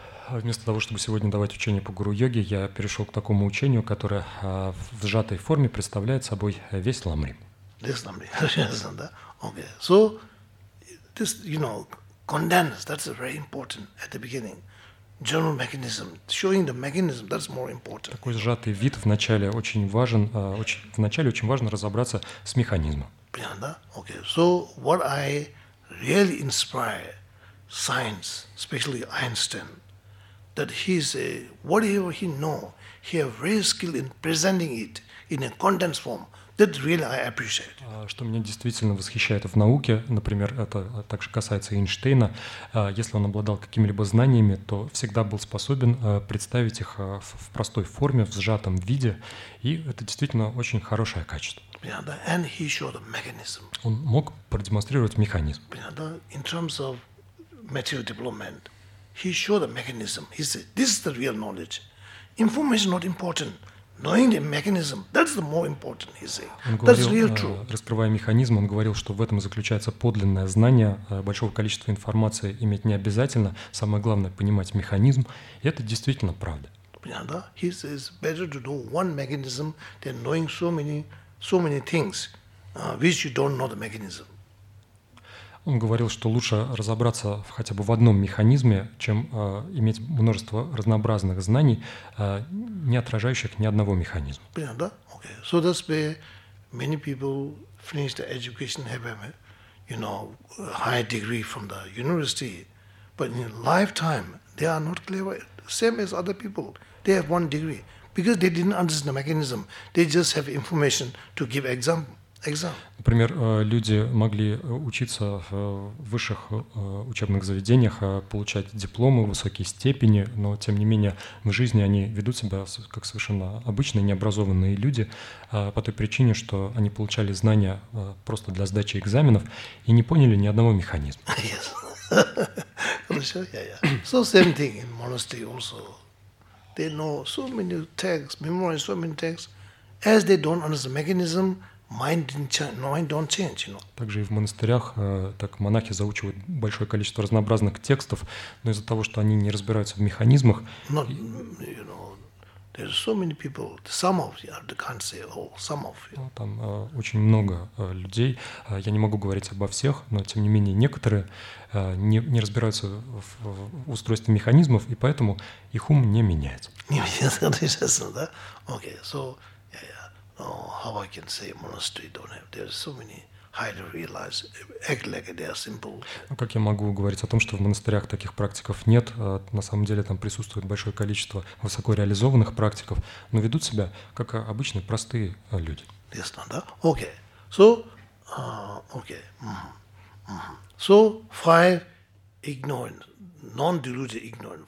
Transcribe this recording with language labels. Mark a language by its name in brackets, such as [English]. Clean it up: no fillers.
[Russian] Вместо того, чтобы сегодня давать учение по гуру-йоге, я перешел к такому учению, которое в сжатой форме представляет собой весь Ламрим. Весь Ламрим, ясно, да? [English] Okay. So, this, you know, condensed, that's very important at the beginning. General mechanism, showing the mechanism, that's more important. [Russian] Такой сжатый вид вначале очень важен, вначале очень важно разобраться с механизмом. Понятно, да? [English] Okay. So, what I really inspire science, especially Einstein, that he's a, whatever he know, he have very skill in presenting it in a condensed form. That really I appreciate. [Russian] Что меня действительно восхищает в науке, например, это также касается Эйнштейна, если он обладал какими-либо знаниями, то всегда был способен представить их в простой форме, в сжатом виде, и это действительно очень хорошее качество. [English] Yeah, [Russian] да? [English] And he showed the mechanism. [Russian] Он мог продемонстрировать механизм. [English] Yeah, [Russian] да? [English] In terms of material development, he showed the mechanism. He said, this is the real knowledge. Information is not important. Knowing the mechanism, that's the more important, he said. That's real truth. [Russian] Раскрывая механизм, он говорил, что в этом заключается подлинное знание. Большого количества информации иметь не обязательно. Самое главное — понимать механизм. И это действительно правда. [English] Yeah, [Russian] да? [English] He says, better to know one mechanism than knowing so many things, which you don't know the mechanism. [Russian] Он говорил, что лучше разобраться в хотя бы в одном механизме, чем иметь множество разнообразных знаний, не отражающих ни одного механизма. Понятно, да? [English] Okay. So that's where many people finish their education, have a, you know, high degree from the university, but in lifetime they are not clever, same as other people. They have one degree because they didn't understand the mechanism. They just have information to give example. [Russian] Например, люди могли учиться в высших учебных заведениях, получать дипломы, высокие степени, но тем не менее в жизни они ведут себя как совершенно обычные, необразованные люди по той причине, что они получали знания просто для сдачи экзаменов и не поняли ни одного механизма. [English] Yes. [Russian] Хорошо, [English] So same thing in monastery also. They know so many texts, memorize so many texts, as they don't understand the mechanism, mind don't change, you know. [Russian] Также и в монастырях так монахи заучивают большое количество разнообразных текстов, но из-за того, что они не разбираются в механизмах. [English] Not, you know, there's so many people, some of you can't say all, some of you. [Russian] Там очень много людей. Я не могу говорить обо всех, но тем не менее некоторые не разбираются в устройстве механизмов, и поэтому их ум не меняется. Не меняется, интересно, да? [English] Okay, so. Oh, how I can say monastery don't have? There's so many highly realized, act like they are simple. [Russian] Ну, как я могу говорить о том, что в монастырях таких практиков нет? На самом деле там присутствует большое количество высоко реализованных практиков, но ведут себя как обычные простые люди. Ясно, да? [English] Okay. So, okay. Mm-hmm. Mm-hmm. So five ignorant, non-deluded ignorant.